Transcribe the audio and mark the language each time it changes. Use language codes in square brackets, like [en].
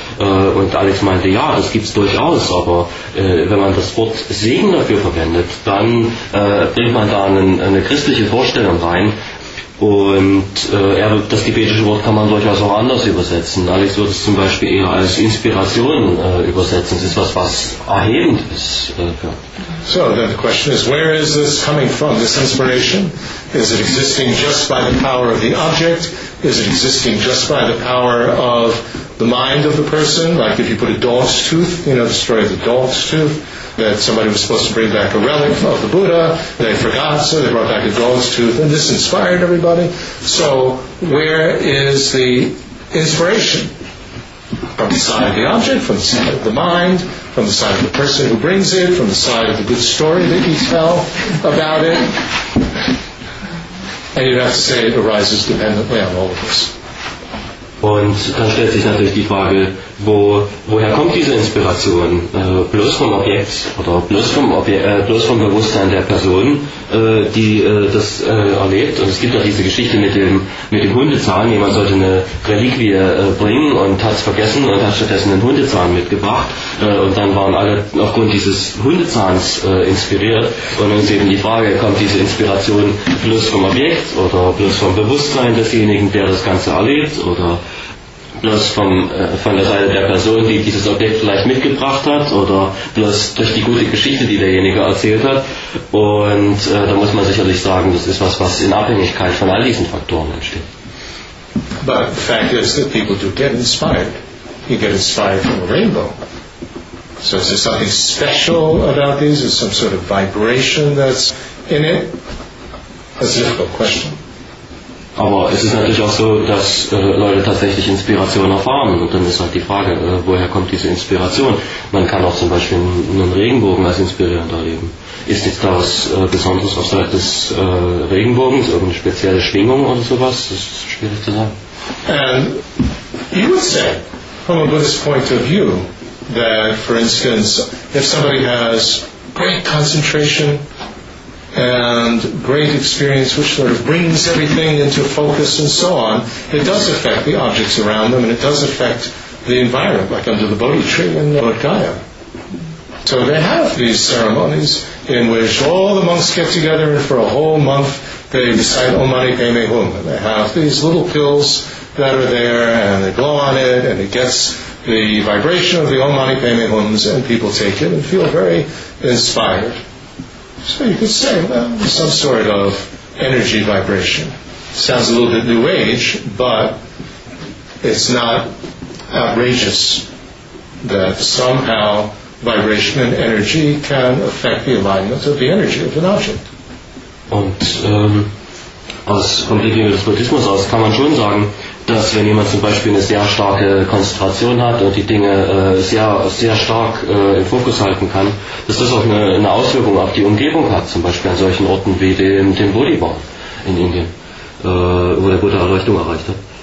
[de] Und Alex meinte, ja, das gibt's durchaus, aber wenn man das Wort Segen dafür verwendet, dann bringt man da eine christliche Vorstellung rein. Und das tibetische Wort kann man durchaus auch anders übersetzen. Alex würde es zum Beispiel eher als Inspiration übersetzen. Es ist was, was erhebend ist. [en] So, then the question is, where is this coming from, this inspiration? Is it existing just by the power of the object? Is it existing just by the power of the mind of the person? Like if you put a dog's tooth, you know, the story of the dog's tooth, that somebody was supposed to bring back a relic of the Buddha, they forgot, so they brought back a dog's tooth, and this inspired everybody. So where is the inspiration? From the side of the object, from the side of the mind, from the side of the person who brings it, from the side of the good story that you tell about it. And you'd have to say it arises dependently on all of this. [de] Und dann stellt sich natürlich die Frage, woher kommt diese Inspiration? Bloß vom Objekt oder bloß vom Bewusstsein der Person, die das erlebt. Und es gibt auch diese Geschichte mit dem Hundezahn. Jemand sollte eine Reliquie bringen und hat es vergessen und hat stattdessen einen Hundezahn mitgebracht. Und dann waren alle aufgrund dieses Hundezahns inspiriert. Und dann ist eben die Frage, kommt diese Inspiration bloß vom Objekt oder bloß vom Bewusstsein desjenigen, der das Ganze erlebt oder bloß von der Seite der Person, die dieses Objekt vielleicht mitgebracht hat oder bloß durch die gute Geschichte, die derjenige erzählt hat. Und da muss man sicherlich sagen, das ist was, was in Abhängigkeit von all diesen Faktoren entsteht. [en] But the fact is that people do get inspired. You get inspired from a rainbow. So is there something special about these? Is there some sort of vibration that's in it? That's a difficult question. [de] Aber es ist natürlich auch so, dass Leute tatsächlich Inspiration erfahren. Und dann ist halt die Frage, woher kommt diese Inspiration? Man kann auch zum Beispiel einen Regenbogen als inspirierend erleben. Ist jetzt da was Besonderes auf Seite des Regenbogens, irgendeine spezielle Schwingung oder sowas? Das ist schwierig zu sagen. [en] And you would say, from a Buddhist point of view, that for instance, if somebody has great concentration, and great experience which sort of brings everything into focus and so on, it does affect the objects around them and it does affect the environment, like under the Bodhi tree in Bodh Gaya. So they have these ceremonies in which all the monks get together and for a whole month they recite Om Mani Padme Hum. And they have these little pills that are there and they blow on it and it gets the vibration of the Om Mani Padme Hums and people take it and feel very inspired. So you could say, well, some sort of energy vibration. Sounds a little bit new age, but it's not outrageous that somehow vibration and energy can affect the alignment of the energy of an object. [de] Und aus Blickwinkel des Buddhismus aus kann man schon sagen, dass wenn jemand zum Beispiel eine sehr starke Konzentration hat und die Dinge sehr, sehr stark im Fokus halten kann, dass das auch eine Auswirkung auf die Umgebung hat, zum Beispiel an solchen Orten wie dem Bodhi-Baum in Indien, wo der Buddha Erleuchtung erreicht hat.